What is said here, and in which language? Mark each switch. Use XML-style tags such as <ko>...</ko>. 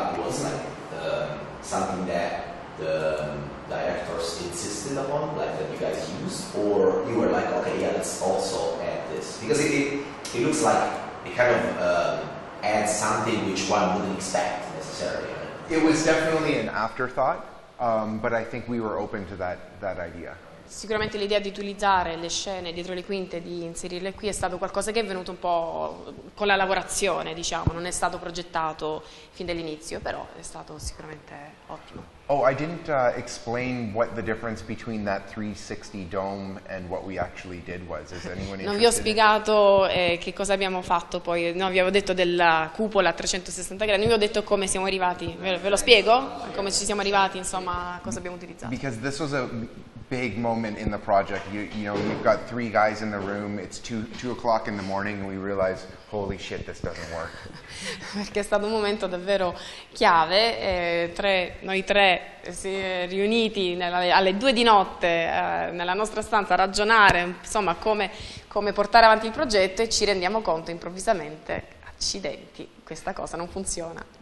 <en>Something that the directors insisted upon, like that you guys used, or you were like, okay, yeah, let's also add this, because it looks like it kind of adds something which one wouldn't expect necessarily. It was definitely an afterthought, but I think we were open to that idea.</en> <it>Sicuramente l'idea di utilizzare le scene dietro le quinte, di inserirle qui, è stato qualcosa che è venuto un po' con la lavorazione, diciamo, non è stato progettato fin dall'inizio, però è stato sicuramente ottimo.</it> <en>Oh, I didn't explain what the difference between that 360 dome and what we actually did was. Is anyone interested?</en> <it>Non vi ho spiegato che cosa abbiamo fatto poi. No, vi avevo detto della cupola a 360 gradi. Non vi ho detto come siamo arrivati. Ve lo spiego? Come ci siamo arrivati, insomma, cosa abbiamo utilizzato.</it> <en>Because this was a big moment in the project. You know, you've got three guys in the room. It's 2 o'clock in the morning and we realize, holy shit, this doesn't work.</en> <it>Perché è stato un momento davvero chiave. Noi tre si è riuniti alle 2 di notte nella nostra stanza a ragionare, insomma, come portare avanti il progetto, e ci rendiamo conto improvvisamente, accidenti, questa cosa non funziona.</it>